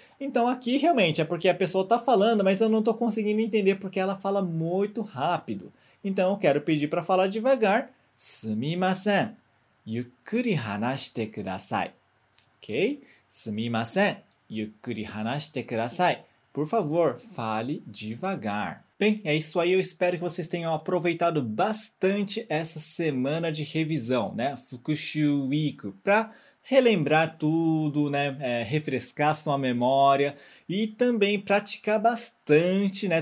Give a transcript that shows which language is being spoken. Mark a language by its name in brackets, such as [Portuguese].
[Portuguese] Então, aqui, realmente, é porque a pessoa está falando, mas eu não estou conseguindo entender porque ela fala muito rápido. Então, eu quero pedir para falar devagar. [Japanese] すみません, ゆっくり話してください. Ok? すみません, ゆっくり話してください. [Portuguese] Por favor, fale devagar. Bem, é isso aí. Eu espero que vocês tenham aproveitado bastante essa semana de revisão, né? Fukushu Week, para relembrar tudo, né? Refrescar sua memória e também praticar bastante, né?